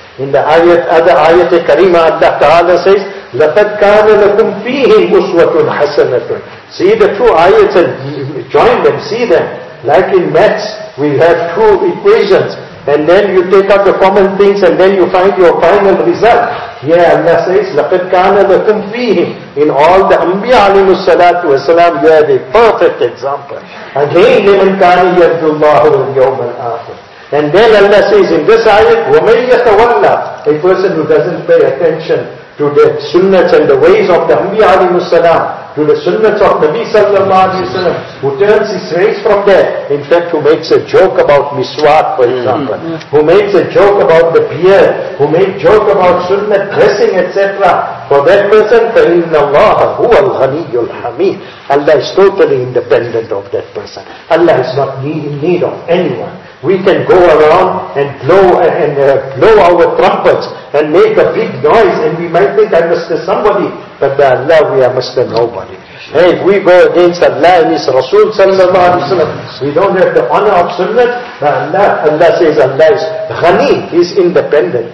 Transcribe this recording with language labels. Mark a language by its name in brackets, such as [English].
[English] In the ayat, other ayat kareema, Allah ta'ala says, [Arabic] لَقَدْ كَانَ لَكُمْ فِيهِمْ أُسْوَةٌ حَسَنَةٌ. [English] See the two ayats and join them, see them. Like in maths, we have two equations. And then you take up the common things and then you find your final result. Yeah, Allah says, [Arabic] لَقَدْ كَانَ لَكُمْ فِيهِمْ. [English] In all the Anbiya alayhi salatu wa salam, you have a perfect example. [Arabic] Again, لِمَنْ كَانِ يَرْجُ اللَّهُ الْيَوْمَ الْآخِرِ. [English] And then Allah says in this ayat, [Arabic] وَمَنْ يَتَوَلَّى. [English] A person who doesn't pay attention to the sunnahs and the ways of the Anbiya alayhi salam, to the sunnahs of Nabi sallallahu alayhi wa sallam, who turns his face from there. In fact, who makes a joke about miswak, for example. Mm-hmm. Who makes a joke about the beard. Who makes a joke about sunnah dressing, etc. For that person, [Arabic] فَإِنَّ اللَّهَ هُوَ الْغَنِيُّ الْحَمِيدُ. [English] Allah is totally independent of that person. Allah is not in need of anyone. We can go around and blow our trumpets and make a big noise and we might think I'm Mr. Somebody, but by Allah we are Mr. Nobody. Hey, if we go against Allah and His Rasul sallallahu alayhi wa sallam, we don't have the honor of sunnah, but Allah says Allah is ghani, He's independent.